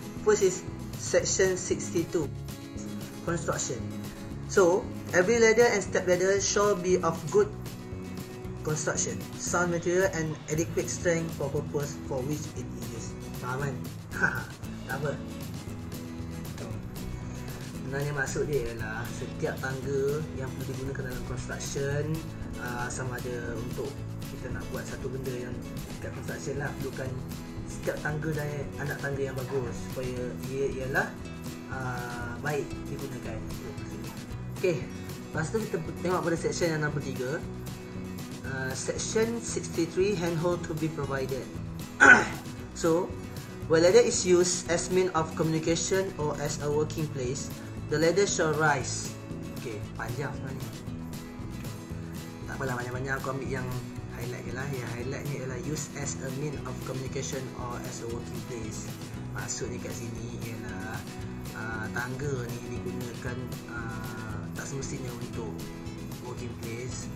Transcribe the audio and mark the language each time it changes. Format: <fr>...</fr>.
<en>First is section 62, construction. So every ladder and step ladder shall be of good construction, sound material and adequate strength for purpose for which it is used.</en> <ms>Faham kan? Tak apa. Sebenarnya maksud dia ialah setiap tangga yang perlu digunakan dalam construction, sama ada untuk kita nak buat satu benda yang dekat construction lah, perlukan setiap tangga dan anak tangga yang bagus supaya ia ialah baik digunakan. Okey, lepas tu kita tengok pada section yang nombor 3.</ms> <en>Section 63, handhold to be provided. So, where ladder is used as mean of communication or as a working place, the ladder shall rise.</en> <ms>Okey, panjang sebenarnya. Tak apalah, banyak-banyak aku ambil yang highlight je lah. Yang highlight ni ialah</ms> <en>use as a mean of communication or as a working place.</en> <ms>Maksudnya kat sini ialah tangga ni digunakan tak semestinya untuk</ms> <en>working place.</en>